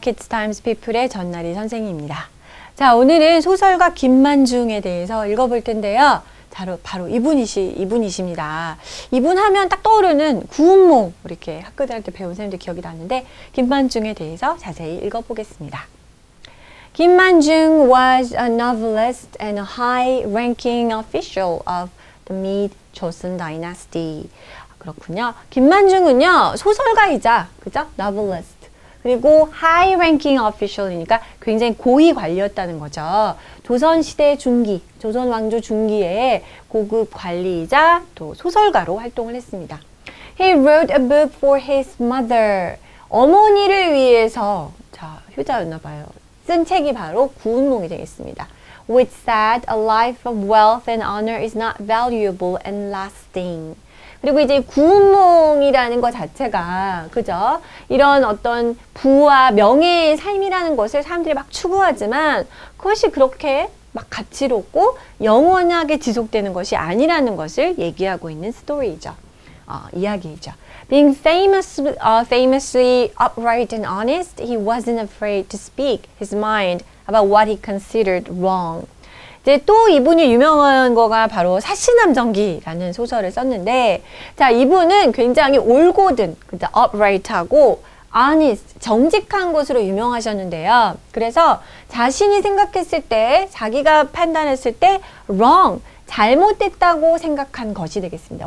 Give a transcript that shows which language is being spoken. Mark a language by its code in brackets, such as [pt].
[ko] 키즈타임즈 피플의 전나리 선생님입니다. 자, 오늘은 소설가 김만중에 대해서 읽어볼 텐데요. 바로 이분이십니다. 이분 하면 딱 떠오르는 구운몽, 이렇게 학교 다닐 때 배운 선생님들 기억이 나는데, 김만중에 대해서 자세히 읽어보겠습니다. [en] 김만중 was a novelist and a high-ranking official of the Mid Joseon Dynasty. [ko] 그렇군요. 김만중은요, 소설가이자, 그죠? novelist. 그리고 high-ranking official이니까 굉장히 고위 관리였다는 거죠. 조선시대 중기, 조선왕조 중기에 고급 관리이자 또 소설가로 활동을 했습니다. [en] He wrote a book for his mother. [ko] 어머니를 위해서, 자, 효자였나 봐요. 쓴 책이 바로 구운몽이 되겠습니다. [en] Which said a life of wealth and honor is not valuable and lasting. [ko] 그리고 이제 구운몽이라는 것 자체가, 그죠? 이런 어떤 부와 명예의 삶이라는 것을 사람들이 막 추구하지만 그것이 그렇게 막 가치롭고 영원하게 지속되는 것이 아니라는 것을 얘기하고 있는 스토리이죠. 이야기이죠. [en] Being famously upright and honest, he wasn't afraid to speak his mind about what he considered wrong. [ko] 이제 또 이분이 유명한 거가 바로 사시남정기라는 소설을 썼는데, 자, 이분은 굉장히 올곧은, 그죠? upright하고 honest, 정직한 것으로 유명하셨는데요. 그래서 자신이 생각했을 때, 자기가 판단했을 때 wrong, 잘못됐다고 생각한 것이 되겠습니다.